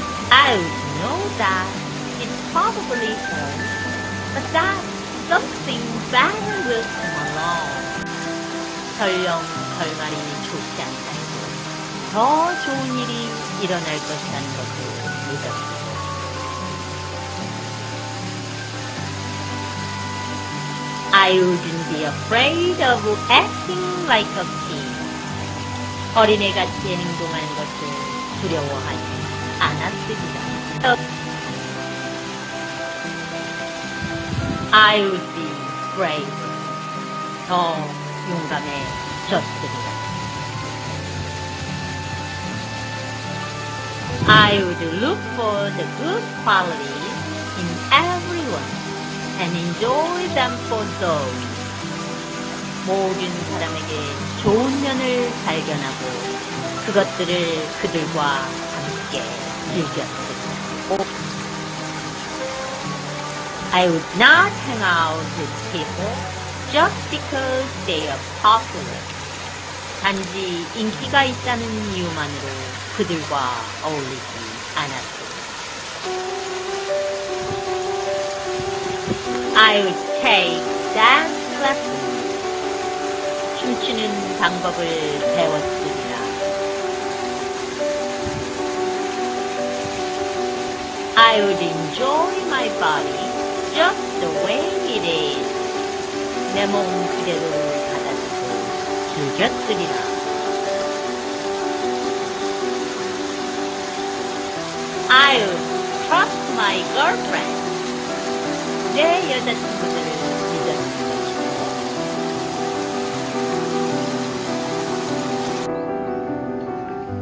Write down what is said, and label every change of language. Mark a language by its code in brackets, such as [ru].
[en] I know that it's probably home, but that something better will come along. [ko] 설령 결말이 좋지 않다 해도 더 좋은 일이 일어날 것이라는 것을 믿었습니다. [en] I wouldn't be afraid of acting like a kid. [ko] 어린애같이 행동하는 것을 두려워하지 않았습니다. [en] I would be brave, [ko] 더 용감해졌습니다. [en] I would look for the good qualities in everyone and enjoy them for those. [ko] 모든 사람에게 좋은 면을 발견하고 그것들을 그들과 함께 즐겼습니다. [en] I would not hang out with people just because they are popular. [ko] 단지 인기가 있다는 이유만으로 그들과 어울리지 않았습니다. [en] I would take dance lessons. [ko] 춤추는 방법을 배웠습니다. [en] I would enjoy my body just the way it is. [ko] 내 몸 그대로 받아주고 즐겼으리라. [en] I'll trust my girlfriend. [ko] 내 여자친구들을 믿어주십시오.